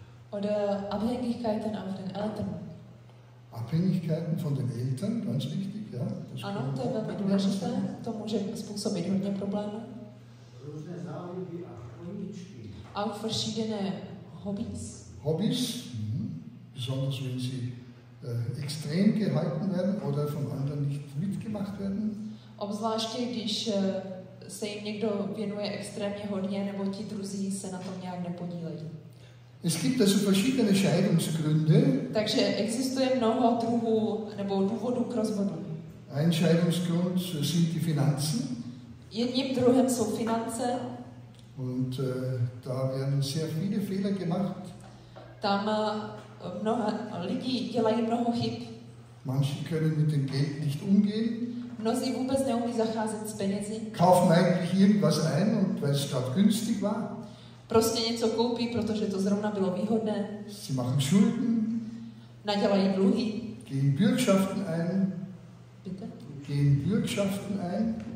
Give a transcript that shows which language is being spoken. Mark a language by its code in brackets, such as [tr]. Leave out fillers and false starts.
[de] Oder Abhängigkeiten auf den Eltern. Abhängigkeiten von den Eltern, ganz wichtig, ja. [cs] Počkej, ano, to je velmi důležité, to může způsobit hodně problémů. Různé záliby a koníčky. [de] Auch verschiedene Hobbys. Hobbys, besonders wenn sie extrém gehalten werden oder von anderen nicht mitgemacht werden. [cs] Obzvláště, když se jim někdo věnuje extrémně hodně, nebo ti druzí se na tom nějak nepodílejí. [de] Es gibt also verschiedene Scheidungsgründe. [cs] Takže existuje mnoho druhů nebo důvodů k rozvodu. [de] Ein Scheidungsgrund sind die Finanzen. [cs] Jedním druhem jsou finance. [de] Und da werden sehr viele Fehler gemacht. [cs] Tam mnoho lidí dělají mnoho chyb. [de] Manche können mit dem Geld nicht umgehen. [cs] Mnozí vůbec neumí zacházet s penězi. [de] Kaufen eigentlich irgendwas ein und weil es gerade günstig war. [cs] Prostě něco koupí, protože to zrovna bylo výhodné. [de] Sie machen Schulden. [cs] Nadělají dluhy. [de] Gehen Bürgschaften ein. Bitte? Gehen Bürgschaften ein.